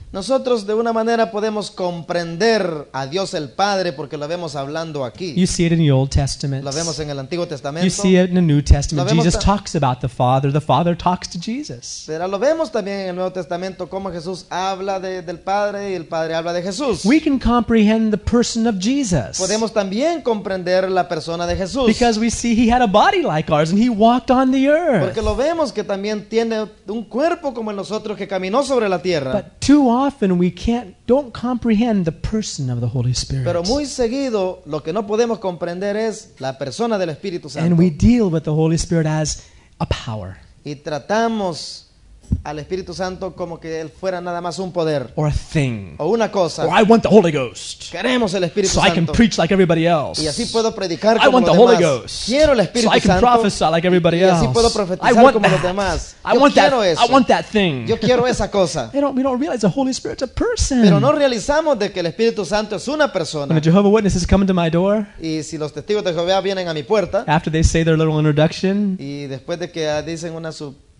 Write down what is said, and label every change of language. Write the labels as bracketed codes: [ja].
[es] Nosotros de una manera podemos comprender a Dios el Padre porque lo vemos hablando aquí. [en] You see it in the Old Testament. [es] Lo vemos en el Antiguo Testamento. [en] You see it in the New Testament. Jesus talks about the Father. The Father talks to Jesus. [es] Pero lo vemos también en el Nuevo Testamento cómo Jesús habla del Padre y el Padre habla de Jesús. [en] We can comprehend the person of Jesus. [es] Podemos también comprender la persona de Jesús. [en] Because we see he had a body like ours and he walked on the earth. [es] Porque lo vemos que también tiene un cuerpo como el nosotros que caminó sobre la tierra. [en] But too often we don't comprehend the person of the Holy Spirit. [es] Pero muy seguido lo que no podemos comprender es la persona del Espíritu Santo. [en] And we deal with the Holy Spirit as a power. [es] Y tratamos al Espíritu Santo como que él fuera nada más un poder. [en] Or a thing. [es] O una cosa. [en] Or I want the Holy Ghost. [es] Queremos el Espíritu Santo. [en] So I can preach like everybody else. [es] Y así puedo predicar como los demás. [en] I want the Holy Ghost. [es] Quiero el Espíritu Santo. [en] So I can prophesy like everybody else. [es] Y así puedo profetizar como los demás. [en] I want that. I want that thing. [es] Yo quiero esa cosa. [en] We don't realize the Holy Spirit's a person. [es] Pero no realizamos de que el Espíritu Santo es una persona. [en] When the Jehovah Witnesses come to my door. [es] Y si los testigos de Jehová vienen a mi puerta. [en] After they say their little introduction. [es] Y después de que dicen una su